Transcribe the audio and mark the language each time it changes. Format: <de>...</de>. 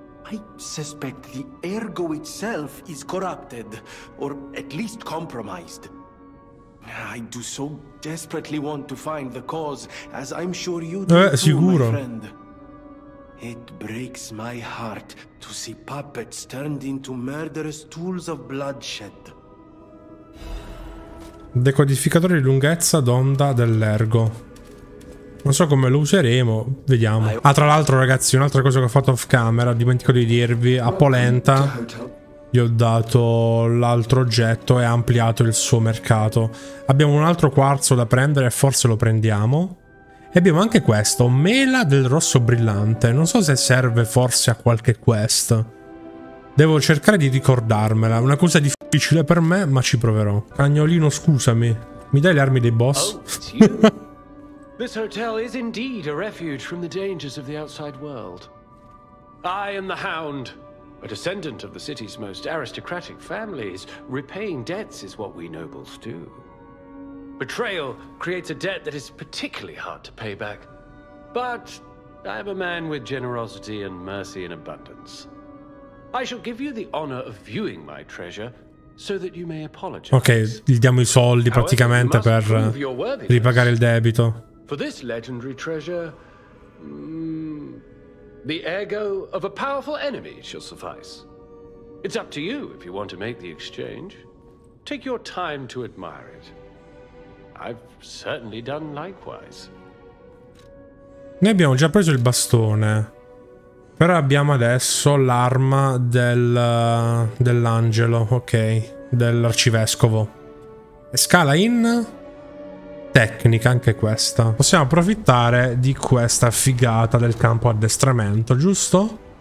<en>I suspect the ergo itself is corrupted or at least compromised. I do so desperately want to find the cause, as I'm sure you do,</en> <it>sicuro.</it> <en>It breaks my heart to see puppets turned into murderous tools of bloodshed.</en> <it>Decodificatore di lunghezza d'onda dell'ergo. Non so come lo useremo, vediamo. Ah, tra l'altro, ragazzi, un'altra cosa che ho fatto off camera, dimentico di dirvi, a Polenta gli ho dato l'altro oggetto e ha ampliato il suo mercato. Abbiamo un altro quarzo da prendere e forse lo prendiamo. E abbiamo anche questo, mela del rosso brillante. Non so se serve forse a qualche quest. Devo cercare di ricordarmela. Una cosa difficile per me, ma ci proverò. Cagnolino, scusami. Mi dai le armi dei boss?</it> <en>This hotel is indeed a refuge from the dangers of the outside world. I am the Hound, a descendant of the city's most aristocratic families. Repaying debts is what we nobles do. Betrayal creates a debt that is particularly hard to pay back. But I am a man with generosity and mercy in abundance. I shall give you the honor of viewing my treasure so that you may apologize.</en> <it>Ok, gli diamo i soldi praticamente per ripagare il debito.</it> <en>For this legendary treasure, the ego of a powerful enemy shall suffice. It's up to you if you want to make the exchange. Take your time to admire it. I've certainly done likewise.</en> <it>Noi abbiamo già preso il bastone, però abbiamo adesso l'arma dell'angelo, ok, dell'arcivescovo. Scala in tecnica, anche questa. Possiamo approfittare di questa figata del campo addestramento, giusto?</it>